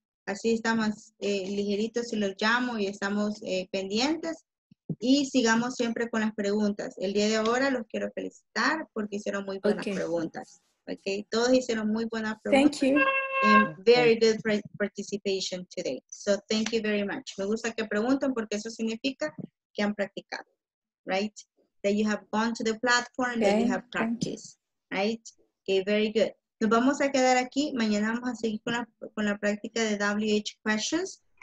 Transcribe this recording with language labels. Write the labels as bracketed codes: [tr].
[es] Así estamos ligeritos si los llamo y estamos pendientes y sigamos siempre con las preguntas. El día de ahora los quiero felicitar porque hicieron muy buenas preguntas, ¿ok? Todos hicieron muy buenas preguntas. [en] Thank you. And very good participation today. So thank you very much. [es] Me gusta que pregunten porque eso significa que han practicado, right? [en] That you have gone to the platform, that you have practiced. Right? Okay, very good. [es] Nos vamos a quedar aquí. Mañana vamos a seguir con la práctica de WH questions.